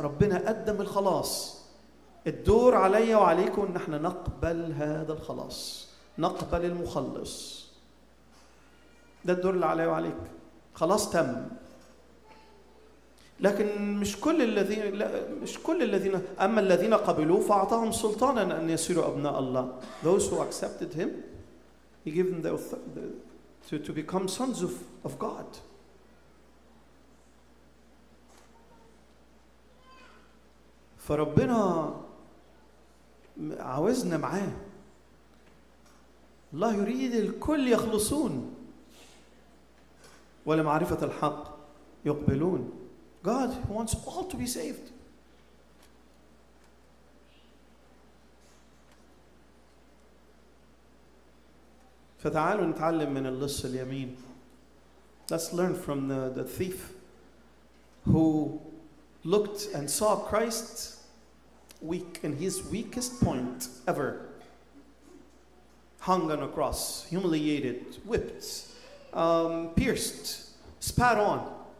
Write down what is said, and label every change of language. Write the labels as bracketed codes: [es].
[ar] ربنا قدم الخلاص. الدور علي وعليكم نحن نقبل هذا الخلاص. نقبل المخلص. ده الدور اللي علي وعليك. خلاص تم. لكن مش كل الذين أما الذين قبلوه فأعطاهم سلطانا أن يصيروا أبناء الله. [en] Those who accepted him, he gave them to become sons of God. [ar] فربنا عاوزنا معاه. الله يريد الكل يخلصون ولمعرفة الحق يقبلون. [en] God wants all to be saved. [ar] فتعالوا نتعلم من اللص اليمين. [en] Let's learn from the thief who looked and saw Christ weak in his weakest point ever. Hung on a cross, humiliated, whipped, pierced, spat on.